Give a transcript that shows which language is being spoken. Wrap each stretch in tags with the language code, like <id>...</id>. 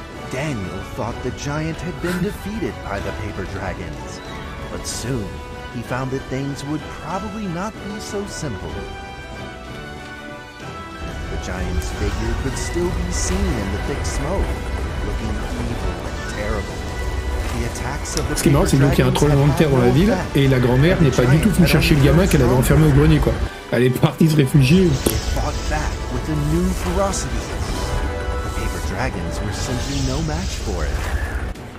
<en>Daniel thought the giant had been defeated by the paper dragons. But soon, he found that things would probably not be so simple. The giant's figure could still be seen in the thick smoke, looking evil and terrible. The attacks of the paper dragons.</en> <fr>Ce qui est marrant, c'est qu'il y a un tremblement de terre dans la ville, et la grand-mère n'est pas du tout venue chercher le gamin qu'elle avait enfermé au grenier, quoi. Elle est partie se réfugier.</fr> <en>They fought back with a new ferocity. The paper dragons were simply no match for it.</en>